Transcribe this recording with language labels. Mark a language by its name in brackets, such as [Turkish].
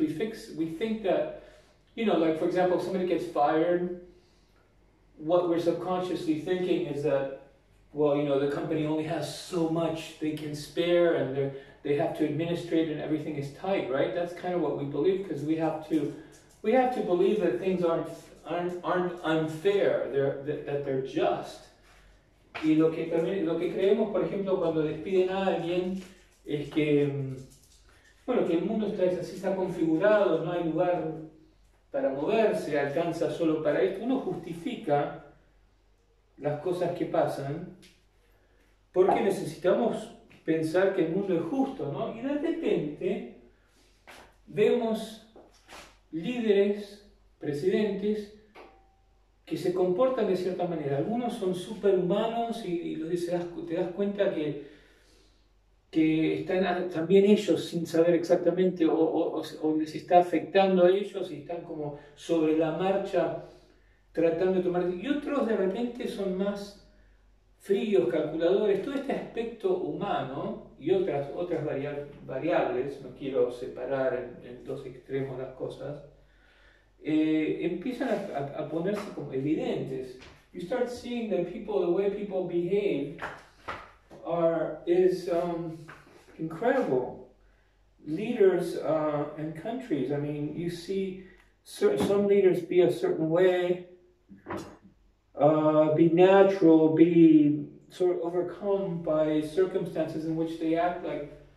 [English] We think that, you know, like for example, if somebody gets fired, what we're subconsciously thinking is that, well, you know, the company only has so much they can spare, and they have to administrate, and everything is tight, right? That's kind of what we believe, because we have to believe that things aren't unfair, that they're just. [Spanish] Y lo que creemos, por ejemplo, cuando despiden a alguien, es que, bueno, que el mundo está configurado, no hay lugar para moverse, alcanza solo para esto. Uno justifica las cosas que pasan porque necesitamos pensar que el mundo es justo, ¿no? Y de repente vemos líderes, presidentes, que se comportan de cierta manera. Algunos son superhumanos y los dices, te das cuenta que están también ellos sin saber exactamente o les está afectando a ellos y están como sobre la marcha tratando de tomar. Y otros de repente son más fríos, calculadores. Todo este aspecto humano y otras variables, no quiero separar en dos extremos las cosas, empiezan a ponerse como evidentes. [English] You start seeing that the way people behave is incredible. Leaders and countries, I mean, you see some leaders be a certain way, be natural, be sort of overcome by circumstances in which they act like